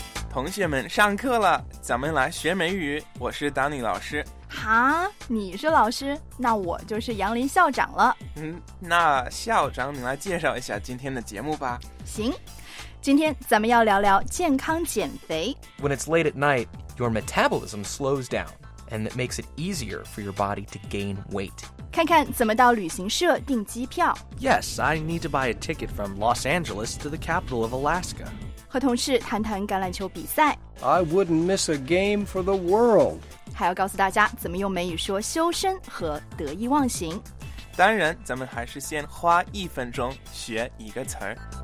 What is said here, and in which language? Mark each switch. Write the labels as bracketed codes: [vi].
[zh] 同学们上课了，咱们来学美语，我是 Danny 老师。啊，你是老师，那我就是杨林校长了。那校长你来介绍一下今天的节目吧。行，今天咱们要聊聊健康减肥。 [en] When it's late at night, your metabolism slows down, and it makes it easier for your body to gain weight. [zh] 看看怎么到旅行社订机票。 [en] Yes, I need to buy a ticket from Los Angeles to the capital of Alaska. [zh] 和同事谈谈橄榄球比赛。 [en] I wouldn't miss a game for the world. [zh] 还要告诉大家怎么用美语说修身和得意忘形。当然，咱们还是先花一分钟学一个词儿。